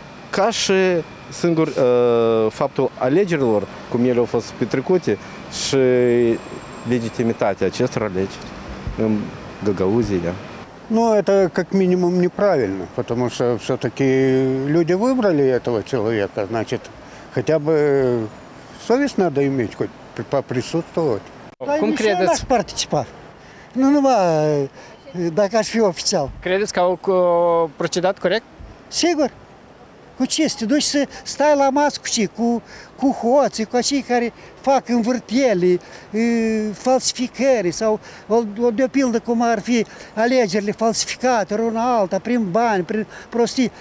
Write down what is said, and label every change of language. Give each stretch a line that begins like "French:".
Romanian: Ca și singur faptul alegerilor, cum ele au fost petrecute, și legitimitatea acestor alegeri în Găgăuzia.
Russian: Ну, это как минимум неправильно, потому что все-таки люди выбрали этого человека, значит, хотя бы совесть надо иметь, хоть поприсутствовать.
Romanian: Cum credeți? Aș participa. Nu, dacă aș fi oficial. Credeți că au procedat corect? Sigur. cu ce să te duci să stai la masă cu ce? Cu hoții, cu acei care fac învârtiele, falsificări sau, de pildă, cum ar fi alegerile falsificate, ori una alta, prin bani, prin prostii.